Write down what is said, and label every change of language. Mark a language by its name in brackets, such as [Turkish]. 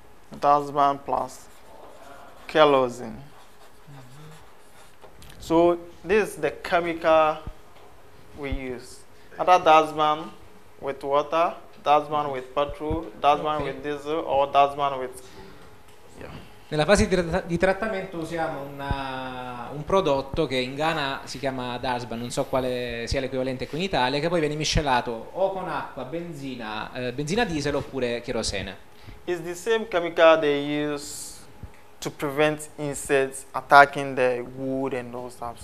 [English] Dustban plus kerosene. So this is the chemical we use. Other dustban with water, dustban with petrol, dustban with diesel or dustban with [Italian] Nella fase di trattamento usiamo un prodotto che in Ghana si chiama dustban, non so quale sia l'equivalente qui in Italia, che poi viene miscelato o con acqua, benzina diesel oppure cherosene. [English] It's the same chemical they use to prevent insects attacking the wood and all stuff.